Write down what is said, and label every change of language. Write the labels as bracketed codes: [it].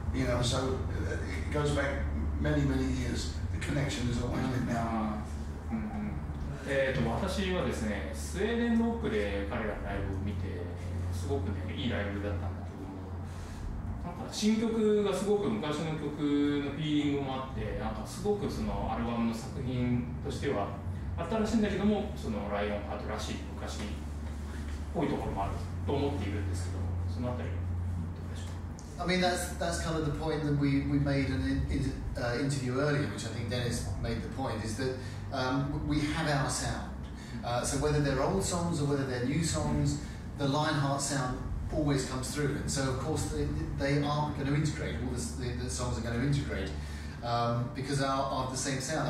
[en] You know, so it goes back many, many years. The connection is always been there. [ja] 私はですね、スウェーデンロックで彼らのライブを見て、すごくね、いいライブだったんだけども、なんか新曲がすごく昔の曲のフィーリングもあって、なんかすごくそのアルバムの作品としては新しいんだけども、そのライオンハートらしい昔っぽいところもあると思っているんですけども、そのあたりはどうでしょう。 [en] I mean, that's kind of the point that we made in an interview earlier, which I think Dennis made the point, is that we have our sound. So whether they're old songs or whether they're new songs, the Lionheart sound always comes through. And so of course they are going to integrate, all the songs are going to integrate because of the same sound.